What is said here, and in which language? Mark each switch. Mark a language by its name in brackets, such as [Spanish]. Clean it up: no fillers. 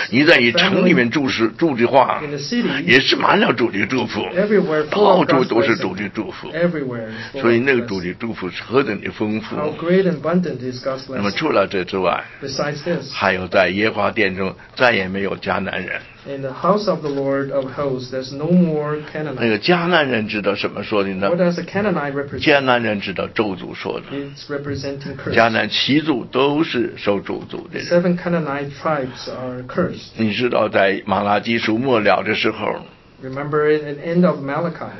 [Chinese] 你在城里面住的话 [English] in the city, [Chinese] 也是满了主的祝福 [English] everywhere, [Chinese] 到处都是主的祝福 [English] everywhere, is full of blessing, [Chinese] 所以那个主的祝福是何等的丰富 [English] How great and abundant is God's blessing, [Chinese] 那么除了这之外 [English] besides this, [Chinese] 还有在耶和华殿中再也没有迦南人。 [English] In the house of the Lord of hosts, there's no more Canaanite. [Chinese] 那个迦南人指的什么说的呢 [English] ？What does the Canaanite represent? [Chinese] 迦南人指的咒诅说的。 [English] It's representing curse. [Chinese] 迦南七族都是受咒诅的人。 [English] Seven Canaanite tribes are cursed. [Chinese] 你知道在马拉基书末了的时候。 [English] Remember at the end of Malachi.